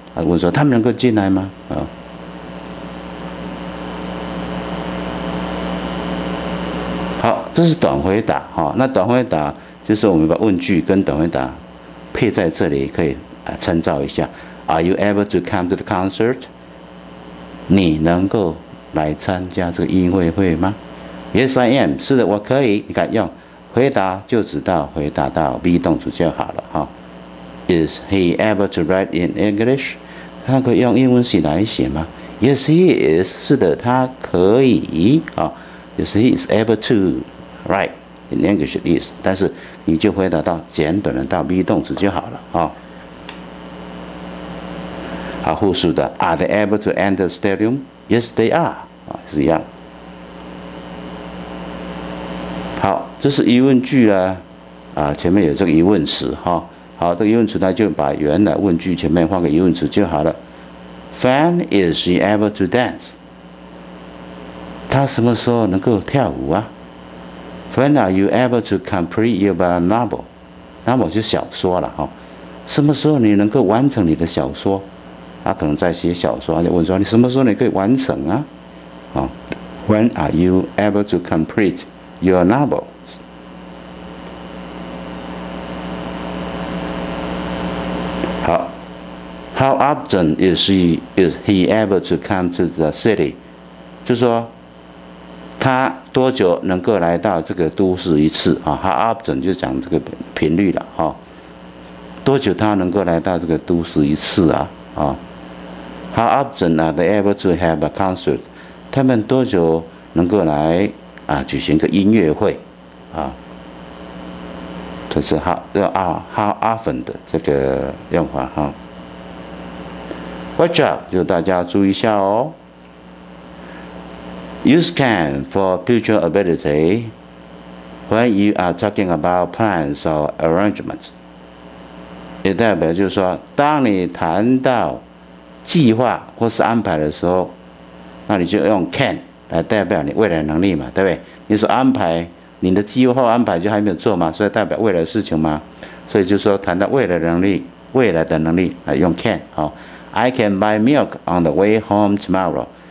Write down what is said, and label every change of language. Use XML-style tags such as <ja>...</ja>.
<zh>他问说他们能够进来吗？啊？这是短回答，那短回答就是我们把问句跟短回答配在这里，可以参照一下。</zh> <en>Are you able to come to the concert?</en> <zh>你能够来参加这个音乐会吗 ？</zh> <en>Yes, I am.</en> <zh>是的，我可以。你看，用回答就知道回答到 be 动词就好了，</zh> <en>Is he able to write in English?</en> <zh>他可以用英文写来写吗 ？</zh> <en>Yes, he is.</en> <zh>是的，他可以。</zh> <en>Yes, he is able to. Right, in English at least.</en> <zh>但是你就回答到简短的到 be 动词就好了、哦、好，复数的</zh> <en>Are they able to enter the stadium? Yes, they are.、哦、</en> <zh>是一样。好，这是疑问句呢、前面有这个疑问词、哦、好，这个疑问词呢就把原来问句前面换个疑问词就好了。</zh> <en>When is she able to dance?</en> <zh>她什么时候能够跳舞啊？</zh> <en>When are you able to complete your novel?</en> <zh>Novel 就是小说了、哦、什么时候你能够完成你的小说？他、可能在写小说，他就问说你什么时候你可以完成啊、哦、</zh> <en>When are you able to complete your novel? 好 How often is he able to come to the city?</en> <zh>就说他多久能够来到这个都市一次啊 ？How often 就讲这个频率了哈、哦。多久他能够来到这个都市一次啊？</zh> <en>啊 ，How often are they able to have a concert？</en> <zh>他们多久能够来啊举行个音乐会啊？这是 how often 的这个用法哈、哦。</zh> <en>Watch out，</en> <zh>就大家注意一下哦。</zh> <en>Use can for future ability when you are talking about plans or arrangements.</en> <zh>也代表就是说，当你谈到计划或是安排的时候，那你就用 can 来代表你未来能力嘛，对不对？你说安排你的计划安排就还没有做嘛，所以代表未来的事情嘛。所以就是说谈到未来的能力，未来的能力来用 can 啊、哦。</zh> <en>I can buy milk on the way home tomorrow.</en>